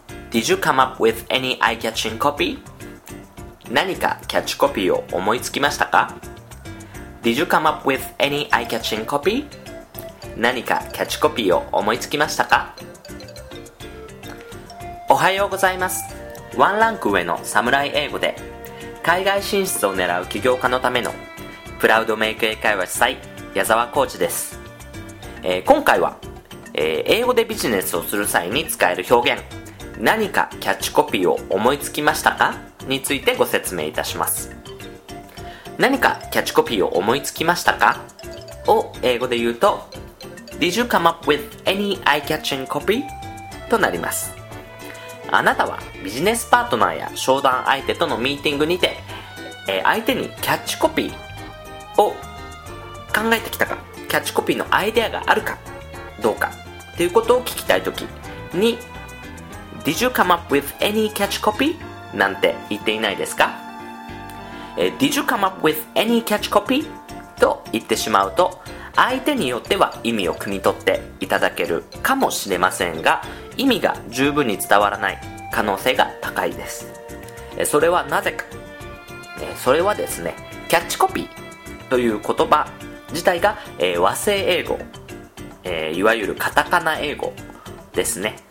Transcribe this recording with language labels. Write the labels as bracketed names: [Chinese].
[English] Did you come up with any eye-catching copy? [Japanese] 何かキャッチコピーを思いつきましたか? [English] Did you come up with any eye-catching copy? [Japanese] 何かキャッチコピーを思いつきましたか? おはようございます。ワンランク上のサムライ英語で、海外進出を狙う起業家のためのプラウドメイク英会話主催、矢沢浩二です。今回は、英語でビジネスをする際に使える表現、何かキャッチコピーを思いつきましたか? についてご説明いたします。何かキャッチコピーを思いつきましたか? [English] を英語で言うと、 Did you come up with any eye-catching copy? [Japanese] となります。あなたはビジネスパートナーや商談相手とのミーティングにて、相手にキャッチコピーを考えてきたか、キャッチコピーのアイデアがあるかどうかということを聞きたいときに、 Did you come up with any catch copy? なんて言っていないですか、 Did you come up with any catch copy? と言ってしまうと、相手によっては意味を汲み取っていただけるかもしれませんが、意味が十分に伝わらない可能性が高いです。それはなぜか、それはですね、キャッチコピーという言葉自体が、和製英語、いわゆるカタカナ英語ですね。